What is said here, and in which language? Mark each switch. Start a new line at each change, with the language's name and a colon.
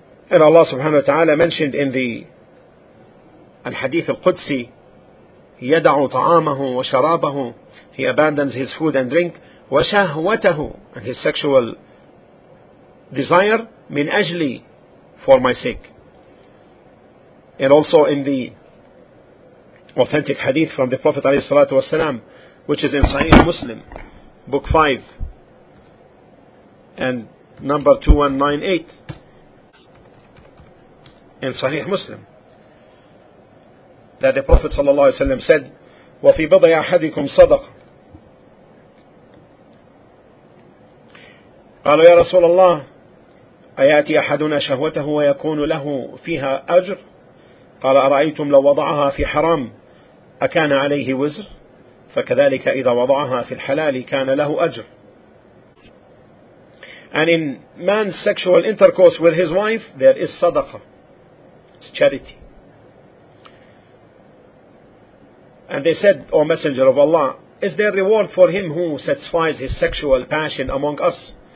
English: And Allah subhanahu wa ta'ala mentioned in the al-hadith al-Qudsi,
Arabic: يَدَعُ طَعَامَهُ وَشَرَابَهُ,
English: he abandons his food and drink,
Arabic: وَشَهْوَتَهُ,
English: and his sexual desire,
Arabic: مِنْ أَجْلِي,
English: for my sake. And also in the authentic hadith from the Prophet
Arabic: عليه الصلاة والسلام,
English: which is in Sahih Muslim, book 5, and number 2198, in Sahih Muslim, that the Prophet
Arabic: صلى الله عليه وسلم
English: said,
Arabic: وَفِي بَضْعِ أَحَدِكُمْ صَدَقَ, قَالُوا يَا رَسُولَ اللَّهِ أيأتي أحدنا شهوته ويكون له فيها أجر؟ قال أرأيتم لو وضعها في حرام أكان عليه وزر؟ فكذلك إذا وضعها في الحلال كان له أجر.
English: And in man's sexual intercourse with his wife, there is صدقة, it's charity. And they said, O Messenger of Allah, is there reward for him who satisfies his sexual passion among us?